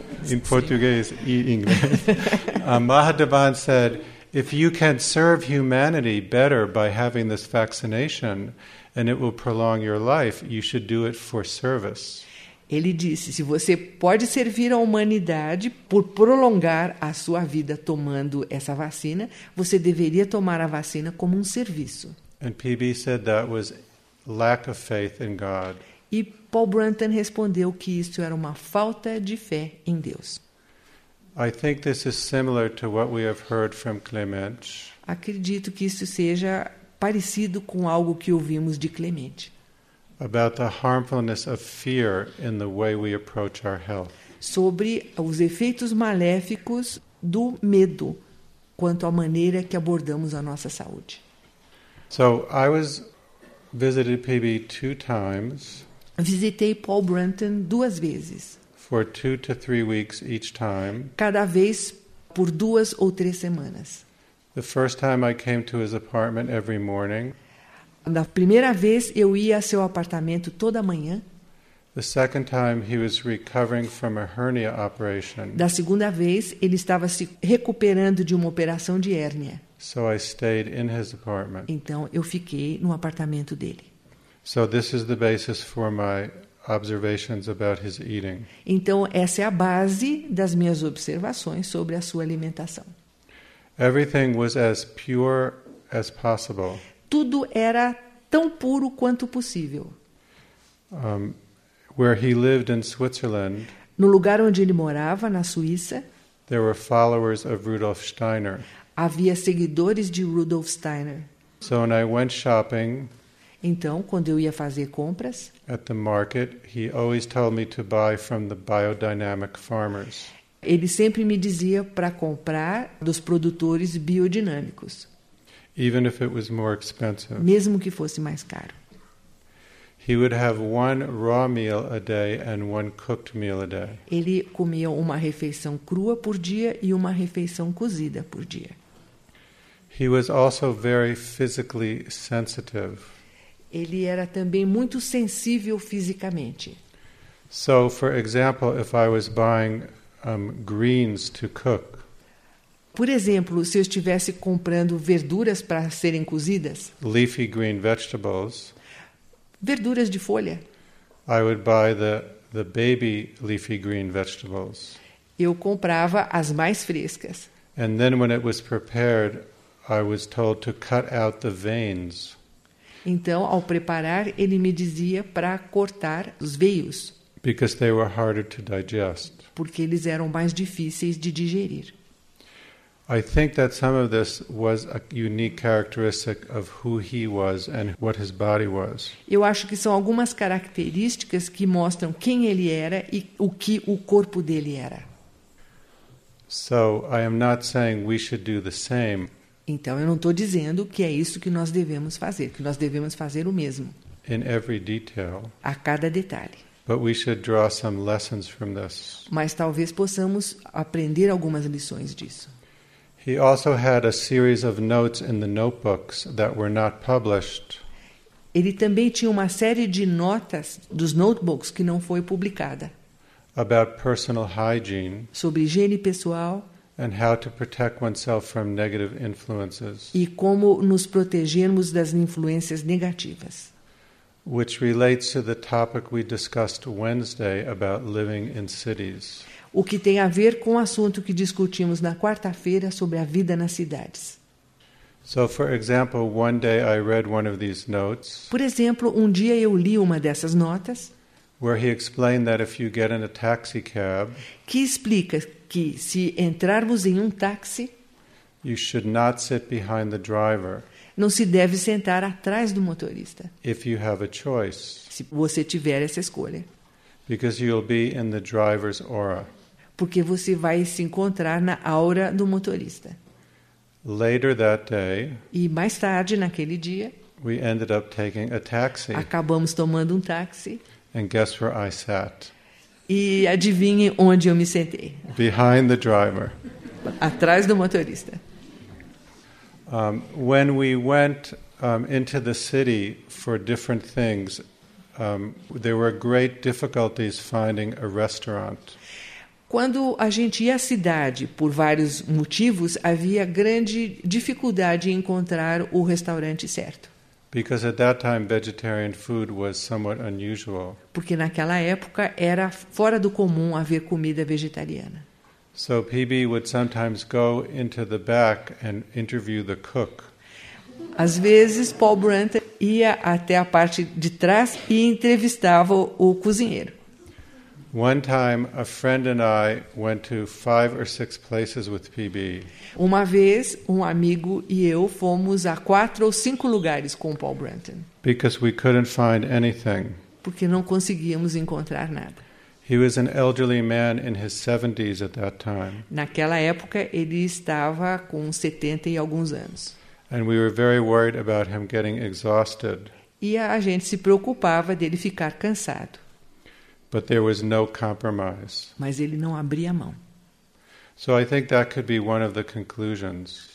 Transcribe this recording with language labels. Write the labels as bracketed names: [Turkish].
[English] In Portuguese, in English. Mahadevan said, if you can serve humanity better by having this vaccination and it will prolong your life, you should do it for service. [Portuguese] Ele disse, se você pode servir a humanidade por prolongar a sua vida tomando essa vacina, você deveria tomar a vacina como um serviço. [English] And PB said that was lack of faith in God. [Portuguese] E Paul Branton respondeu que isso era uma falta de fé em Deus. [English] I think this is similar to what we have heard from Clemente. [Portuguese] Acredito que isso seja parecido com algo que ouvimos de Clemente. [English] About the harmfulness of fear in the way we approach our health. [Portuguese] Sobre os efeitos maléficos do medo quanto à maneira que abordamos a nossa saúde. [English] So I was visited PB two times. [Portuguese] Visitei Paul Branton duas vezes. [English] For 2 to 3 weeks each time. [Portuguese] Cada vez por 2 ou 3 semanas. [English] The first time I came to his apartment every morning. [Portuguese] Na primeira vez eu ia ao seu apartamento toda manhã. [English] The second time he was recovering from a hernia operation. [Portuguese] Da segunda vez ele estava se recuperando de uma operação de hérnia. [English] So I stayed in his apartment. [Portuguese] Então eu fiquei no apartamento dele. [English] So this is the basis for my observations about his eating. [Portuguese] Então essa é a base das minhas observações sobre a sua alimentação. [English] Everything was as pure as possible. [Portuguese] Tudo era tão puro quanto possível. [English] Where he lived in Switzerland. [Portuguese] No lugar onde ele morava, na Suíça. [English] There were followers of Rudolf Steiner. [Portuguese] Havia seguidores de Rudolf Steiner. [English] So when I went shopping. [Portuguese] Então, quando eu ia fazer compras, [English] at the market, he always told me to buy from the biodynamic farmers. [Portuguese] Ele sempre me dizia para comprar dos produtores biodinâmicos. [English] Even if it was more expensive. [Portuguese] Mesmo que fosse mais caro. [English] He would have one raw meal a day and one cooked meal a day. [Portuguese] Ele comia uma refeição crua por dia e uma refeição cozida por dia. [English] He was also very physically sensitive. [Portuguese] Ele era também muito sensível fisicamente. [English] So, for example, if I was buying greens to cook. [Portuguese] Por exemplo, se eu estivesse comprando verduras para serem cozidas. [English] Leafy green vegetables. [Portuguese] Verduras de folha. [English] I would buy the baby leafy green vegetables. [Portuguese] Eu comprava as mais frescas. [English] And then when it was prepared, I was told to cut out the veins. [Portuguese] Então, ao preparar, ele me dizia para cortar os veios. [English] Because they were harder to digest. [Portuguese] Porque eles eram mais difíceis de digerir. [English] I think that some of this was a unique characteristic of who he was and what his body was. [Portuguese] Eu acho que são algumas características que mostram quem ele era e o que o corpo dele era. [English] So, I am not saying we should do the same. [Portuguese] Então, eu não estou dizendo que é isso que nós devemos fazer, que nós devemos fazer o mesmo. [English] In every detail. [Portuguese] A cada detalhe. [English] But we should draw some lessons from this. [Portuguese] Mas talvez possamos aprender algumas lições disso. [English] He also had a series of notes in the notebooks that were not published. [Portuguese] Ele também tinha uma série de notas dos notebooks que não foi publicada. [English] About personal hygiene. [Portuguese] Sobre higiene pessoal. [English] And how to protect oneself from negative influences. [Portuguese] E como nos protegermos das influências negativas. [English] Which relates to the topic we discussed Wednesday about living in cities. [Portuguese] O que tem a ver com o assunto que discutimos na quarta-feira sobre a vida nas cidades. [English] So, for example, one day I read one of these notes. [Portuguese] Por exemplo, dia eu li uma dessas notas. [English] Where he explained that if you get in a taxi cab. [Portuguese] Que explica que se entrarmos em táxi, [English] you should not sit behind the driver. [Portuguese] Não se deve sentar atrás do motorista. [English] If you have a choice. [Portuguese] Se você tiver essa escolha. [English] Because you'll be in the driver's aura. [Portuguese] Porque você vai se encontrar na aura do motorista. [English] Later that day. [Portuguese] E mais tarde naquele dia. [English] We ended up taking a taxi. [Portuguese] Acabamos tomando um táxi. [English] And guess where I sat. [Portuguese] E adivinhe onde eu me sentei. [English] Behind the driver. [Portuguese] Atrás do motorista. [English] When we went into the city for different things, there were great difficulties finding a restaurant. [Portuguese] Quando a gente ia à cidade, por vários motivos, havia grande dificuldade em encontrar o restaurante certo. [English] Because at that time, vegetarian food was somewhat unusual. [Portuguese] Porque naquela época era fora do comum haver comida vegetariana. [English] So PB would sometimes go into the back and interview the cook. [Portuguese] Às vezes, Paul Brandt ia até a parte de trás e entrevistava o cozinheiro. [English] One time, a friend and I went to 5 or 6 places with PB. [Portuguese] Uma vez, um amigo e eu fomos a 4 ou 5 lugares com Paul Brandt. [English] Because we couldn't find anything. [Portuguese] Porque não conseguíamos encontrar nada. [English] He was an elderly man in his 70s at that time. [Portuguese] Naquela época, ele estava com 70 e alguns anos. [English] And we were very worried about him getting exhausted. [Portuguese] E a gente se preocupava dele ficar cansado. [English] But there was no compromise. [Portuguese] Mas ele não abria a mão. [English] So I think that could be one of the conclusions.